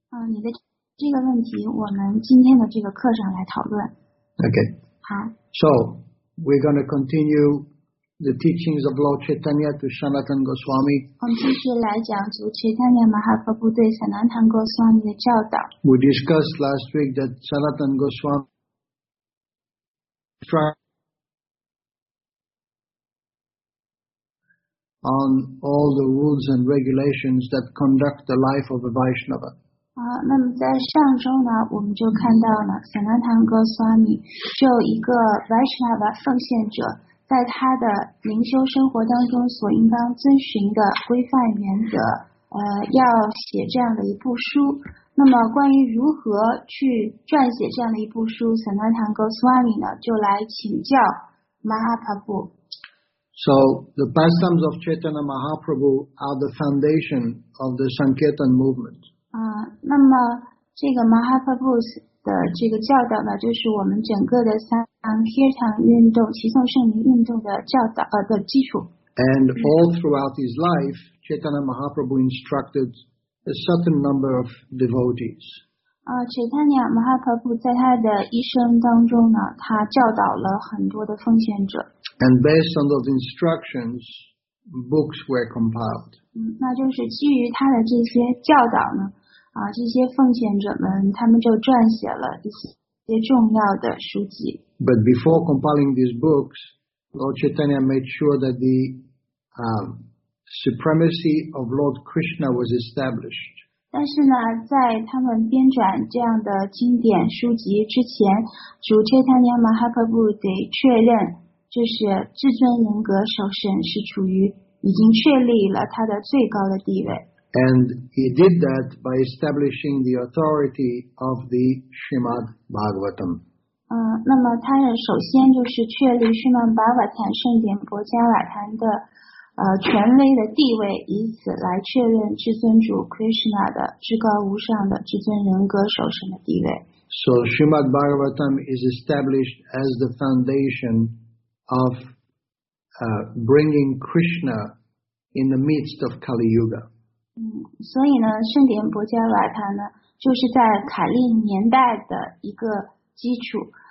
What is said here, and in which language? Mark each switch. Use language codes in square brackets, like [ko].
[zh] 你的这个问题，我们今天的这个课上来讨论。 Okay. 好。 [en] So we're going to continue the teachings of Lord Chaitanya to Sanatana Goswami. [zh] 我们继续来讲主 Chaitanya Mahaprabhu 对 Sanatana Goswami 的教导。 [en] We discussed last week that Sanatana Goswami from on all the rules and regulations that conduct the life of a Vaishnava. [zh] 那么在上周呢，我们就看到了沈南堂哥斯瓦米就一个 Vaishnava 奉献者在他的灵修生活当中所应当遵循的规范原则，要写这样的一部书。那么关于如何去撰写这样的一部书，沈南堂哥斯瓦米呢就来请教马哈帕布。 [en] So the pastimes of Chaitanya Mahaprabhu are the foundation of the Sankirtan movement. [zh] 那么这个 Mahaprabhu 的这个教导呢，就是我们整个的 Sankirtan 运动、齐颂圣名运动的教导的基础。 [en] And all throughout his life, Chaitanya Mahaprabhu instructed a certain number of devotees. [zh] Chaitanya Mahaprabhu 在他的一生当中呢，他教导了很多的奉献者。 [en] And based on those instructions, books were compiled. [zh] 那就是基于他的这些教导呢，这些奉献者们他们就撰写了一些重要的书籍。 [en] But before compiling these books, Lord Chaitanya made sure that the supremacy of Lord Krishna was established. [zh] 但是呢，在他们编撰这样的经典书籍之前，主 Chaitanya Mahaprabhu 得确认。就是至尊人格首先是处于已经确立了他的最高的地位。 [en] And he did that by establishing the authority of the Srimad Bhagavatam. [zh] 那么他首先就是确立 Srimad Bhagavatam 圣典博迦瓦坛的权威的地位，以此来确认至尊主 Krishna 的至高无上的至尊人格首先的地位。 [en] So Srimad Bhagavatam is established as the foundation of bringing Krishna in the midst of Kali Yuga. [zh] 所以呢，圣典博迦瓦坛呢，就是在卡利年代的一个基础。